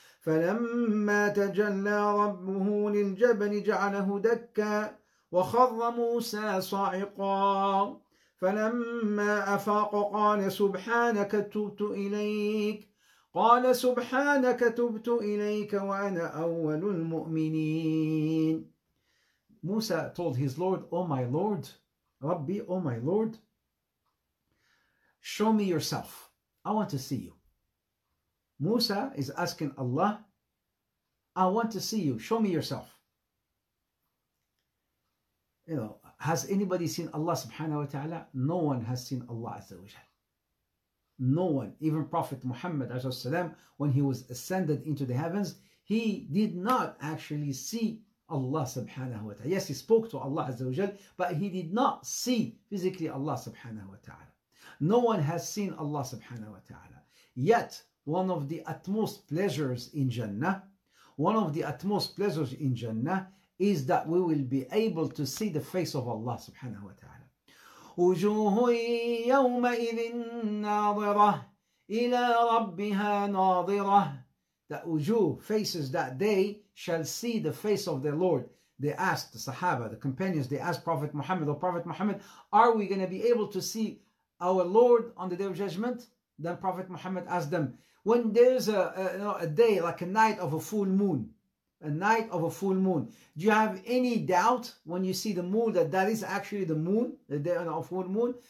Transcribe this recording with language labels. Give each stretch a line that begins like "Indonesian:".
Arabic: فلما تجلى ربه للجبل جعله دكا وخر موسى صعقا فلما أفاق قال سبحانك تبت إليك قال سبحانك تبت إليك وأنا أول المؤمنين.
English: موسى told his Lord, Oh my Lord, Rabbi, Oh my Lord, show me yourself. I want to see you. موسى is asking Allah, I want to see you. Show me yourself. You know, has anybody seen Allah subhanahu wa ta'ala? No one has seen Allah azza wa jalla. No one, even Prophet Muhammad السلام, when he was ascended into the heavens, he did not actually see Allah subhanahu wa ta'ala. Yes, he spoke to Allah azza wa jalla, but he did not see physically Allah subhanahu wa ta'ala. No one has seen Allah subhanahu wa ta'ala. Yet, one of the utmost pleasures in Jannah, one of the utmost pleasures in Jannah is that we will be able to see the face of Allah subhanahu wa ta'ala.
Arabic: وجوه يومئذ ناظرة إلى ربها ناظرة.
English: The wujuh, faces that day, shall see the face of their Lord. They asked the Sahaba, the companions, they asked Prophet Muhammad, O Prophet Muhammad, are we going to be able to see our Lord on the Day of Judgment? Then Prophet Muhammad asked them, when there's a day, like a night of a full moon, a night of a full moon, do you have any doubt when you see the moon that that is actually the moon, the day of a full moon?